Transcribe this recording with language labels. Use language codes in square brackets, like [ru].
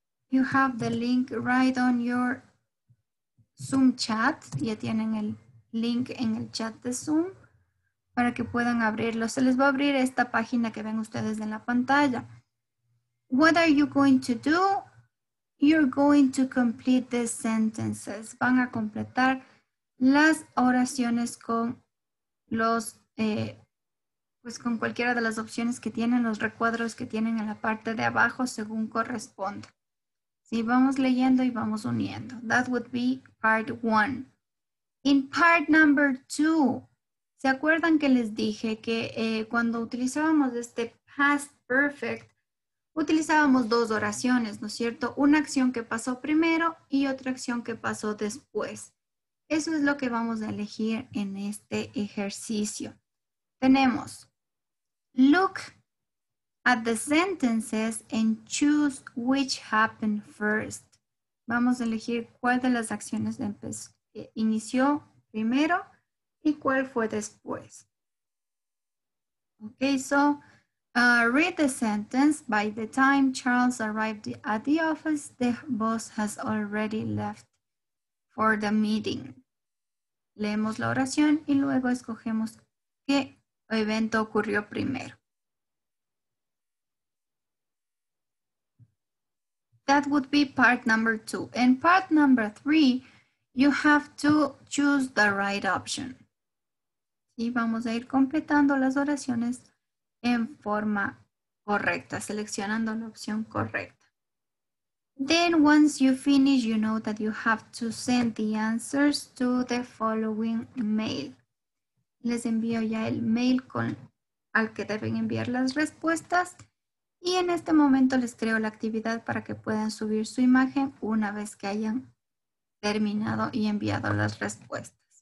[en] You have the link right on your Zoom chat. [es] Ya tienen el link en el chat de Zoom para que puedan abrirlo. Se les va a abrir esta página que ven ustedes en la pantalla. [en] What are you going to do? You're going to complete the sentences. [es] Van a completar las oraciones con los, pues con cualquiera de las opciones que tienen, los recuadros que tienen en la parte de abajo según corresponda. Sí, vamos leyendo y vamos uniendo. [en] That would be part one. In part number two, [es] ¿se acuerdan que les dije que cuando utilizábamos este past perfect, utilizábamos dos oraciones, ¿no es cierto? Una acción que pasó primero y otra acción que pasó después. Eso es lo que vamos a elegir en este ejercicio. Tenemos, [en] look at the sentences and choose which happened first. [es] Vamos a elegir cuál de las acciones inició primero y cuál fue después. [en] Okay, so read the sentence. By the time Charles arrived at the office, the boss has already left for the meeting. [es] Leemos la oración y luego escogemos qué evento ocurrió primero. [en] That would be part number two. And part number three, you have to choose the right option. [es] Y vamos a ir completando las oraciones en forma correcta, seleccionando la opción correcta. [en] Then once you finish, you know that you have to send the answers to the following mail. [es] Les envío ya el mail con al que deben enviar las respuestas. Y en este momento les creo la actividad para que puedan subir su imagen una vez que hayan terminado y enviado las respuestas.